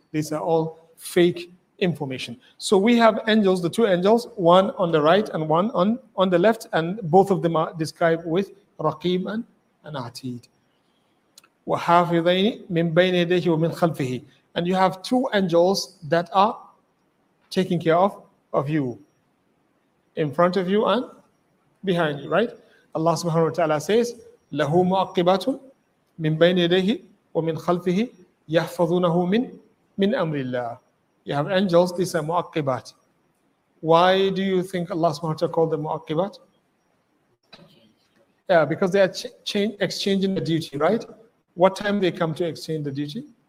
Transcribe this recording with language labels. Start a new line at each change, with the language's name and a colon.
English: These are all fake information. So we have angels, the two angels, one on the right and one on the left, and both of them are described with raqib and atid.
Arabic: وَحَافِظَيْنِ مِنْ بَيْنِ يَدَيْهِ وَمِنْ خَلْفِهِ.
English: And you have two angels that are taking care of you, in front of you and behind you, right?
Arabic: Allah subhanahu wa ta'ala
English: says,
Arabic: لَهُ مُعَقِّبَاتٌ مِنْ بَيْنِ يَدَيْهِ وَمِنْ خَلْفِهِ يَحْفَظُونَهُ مِنْ أَمْرِ اللَّهِ.
English: You have angels, these are mu'aqibat. Why do you think Allah subhanahu wa ta'ala called them mu'aqibat? Yeah, because they are exchanging the duty, right? What time they come to exchange the duty?